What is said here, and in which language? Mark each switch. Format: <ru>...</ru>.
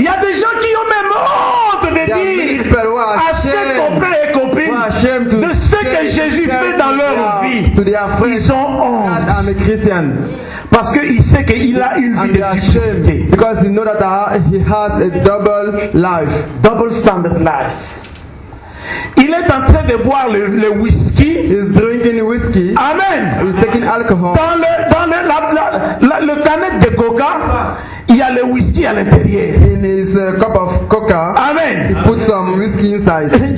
<fr>Il y a des gens qui ont même honte de dire à ses copains et copines de ce que Jésus fait dans leur vie.</fr> <en>To their friends.</en> <fr>Ils ont honte.</fr> <en>I'm a Christian.</en> <fr>Parce qu'il sait qu'il a une vie de duplicité.</fr> <en>Because he knows that he has a double life. Double standard life.</en> <fr>Il est en train de boire le whisky.</fr> <en>He's drinking whisky. Amen. He's taking alcohol.</en> <fr>Dans le canette de coca, il y a le whisky à l'intérieur.</fr> <en>In his cup of coca. Amen. He put some whisky inside.</en>